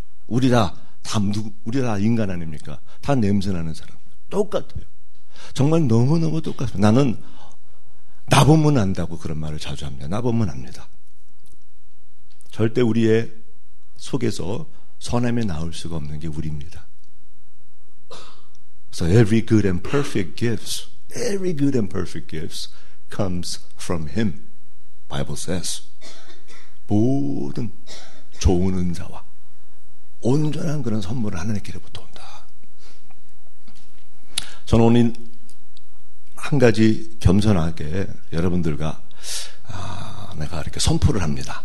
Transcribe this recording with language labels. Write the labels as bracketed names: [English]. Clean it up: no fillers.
[Korean] 우리 우리 다 인간 아닙니까? 다 냄새나는 사람. 똑같아요. 정말 너무너무 똑같아요. 나는 나보면 안다고 그런 말을 자주 합니다. 나보면 압니다. 절대 우리의 속에서 선함이 나올 수가 없는 게 우리입니다. [English] So every good and perfect gifts, every good and perfect gifts comes from Him. Bible says. [Korean] 모든 좋은 은사와 온전한 그런 선물을 하나님께로부터 온다. 저는 오늘 한 가지 겸손하게 여러분들과 내가 이렇게 선포를 합니다.